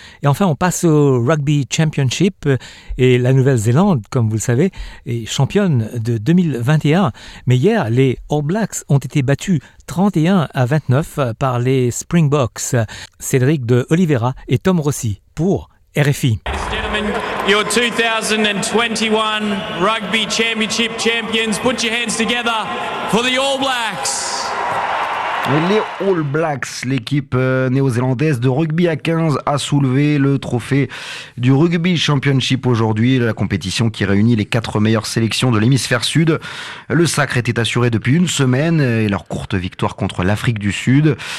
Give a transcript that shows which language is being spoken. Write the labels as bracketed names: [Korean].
[French] Et enfin on passe au Rugby Championship et la Nouvelle-Zélande, comme vous le savez, est championne de 2021. Mais hier, les All Blacks ont été battus 31 à 29 par les Springboks. Cédric de Oliveira et Tom Rossi pour RFI. [English] Your 2021 Rugby Championship champions, put your hands together for the All Blacks. [French] Les All Blacks, l'équipe néo-zélandaise de rugby à 15, a soulevé le trophée du Rugby Championship aujourd'hui, la compétition qui réunit les 4 meilleures sélections de l'hémisphère sud. Le sacre était assuré depuis une semaine et leur courte victoire contre l'Afrique du Sud.